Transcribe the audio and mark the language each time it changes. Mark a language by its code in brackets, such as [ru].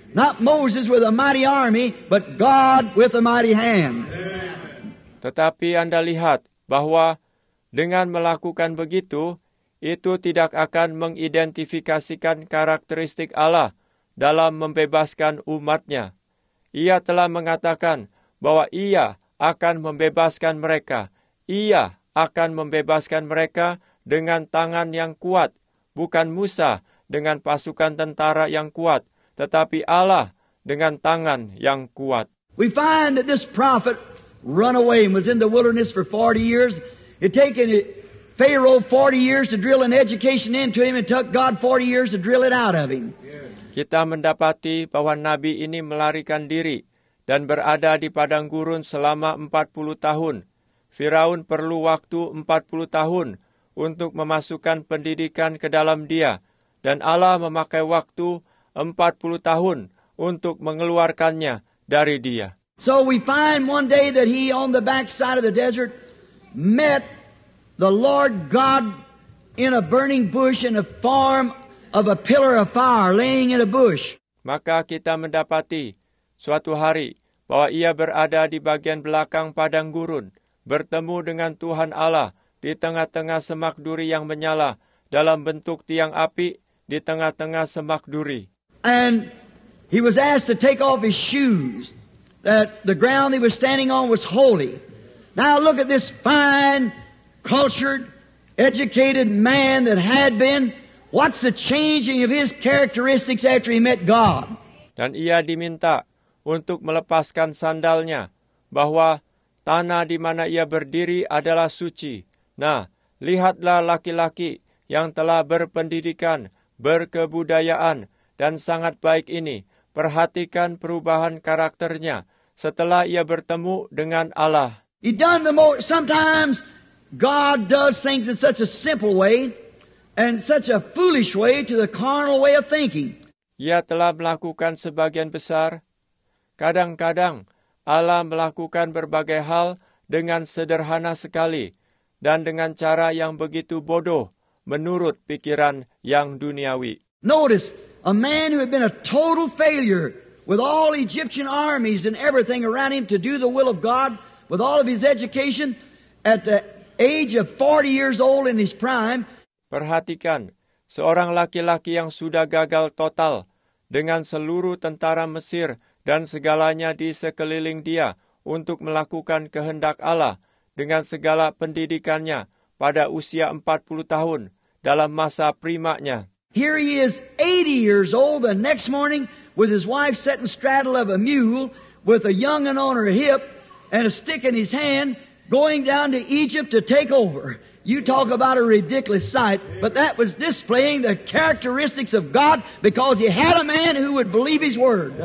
[en] Not Moses with a mighty army, but God with a mighty hand. [id] Tetapi Anda lihat bahwa dengan melakukan begitu, itu tidak akan mengidentifikasikan karakteristik Allah dalam membebaskan umatnya. Ia telah mengatakan bahwa ia akan membebaskan mereka. Ia akan membebaskan mereka dengan tangan yang kuat, bukan Musa dengan pasukan tentara yang kuat, tetapi Allah dengan tangan yang kuat. [en] We find that this prophet run away and was in the wilderness for 40 years. It taken Pharaoh 40 years to drill an education into him and took God 40 years to drill it out of him. [id] Kita mendapati bahwa nabi ini melarikan diri dan berada di padang gurun selama 40 tahun. Firaun perlu waktu 40 tahun untuk memasukkan pendidikan ke dalam dia, dan Allah memakai waktu 40 tahun untuk mengeluarkannya dari dia. [en] So we find one day that he on the back side of the desert met the Lord God in a burning bush in the form of a pillar of fire laying in a bush. [id] Maka kita mendapati suatu hari bahwa ia berada di bagian belakang padang gurun, bertemu dengan Tuhan Allah di tengah-tengah semak duri yang menyala dalam bentuk tiang api di tengah-tengah semak duri. [en] And he was asked to take off his shoes, that the ground he was standing on was holy. Now look at this fine, cultured, educated man that had been. What's the changing of his characteristics after he met God? [id] Dan ia diminta untuk melepaskan sandalnya, bahwa tanah di mana ia berdiri adalah suci. Nah, lihatlah laki-laki yang telah berpendidikan, berkebudayaan, dan sangat baik ini. Perhatikan perubahan karakternya setelah ia bertemu dengan Allah. [en] He done the most. Sometimes God does things in such a simple way and such a foolish way to the carnal way of thinking. [id] Ia telah melakukan sebagian besar. Kadang-kadang Allah melakukan berbagai hal dengan sederhana sekali dan dengan cara yang begitu bodoh menurut pikiran yang duniawi. [en] Notice, a man who had been a total failure with all Egyptian armies and everything around him to do the will of God, with all of his education, at the age of 40 years old in his prime. [id] Perhatikan, seorang laki-laki yang sudah gagal total dengan seluruh tentara Mesir dan segalanya di sekeliling dia untuk melakukan kehendak Allah dengan segala pendidikannya pada usia 40 tahun dalam masa primanya. [en] Here he is 80 years old the next morning with his wife sitting straddle of a mule with a young un on her hip and a stick in his hand going down to Egypt to take over. You talk about a ridiculous sight, but that was displaying the characteristics of God because he had a man who would believe his word.